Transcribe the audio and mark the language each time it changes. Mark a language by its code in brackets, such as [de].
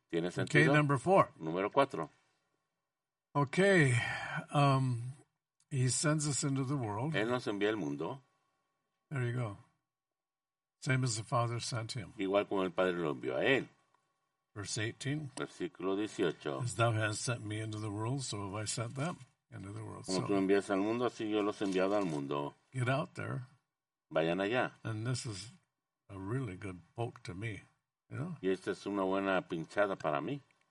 [es] ¿Tiene sentido? [en] Okay, number four. [es] Número cuatro. [en] Okay. He sends us into the world. [es] Él nos envía al mundo. [en] There you go. Same as the Father sent him. [es] Igual como el Padre lo envió a él. [en] Verse 18. [es] Versículo 18. [en] As thou hast sent me into the world, so have I sent them into the world. [es] Como tú envías al mundo, así yo los he enviado al mundo. [en] Get out there. [es] Vayan allá. [en] And this is a really good poke to me. [es] Y esta es una buena pinchada para mí.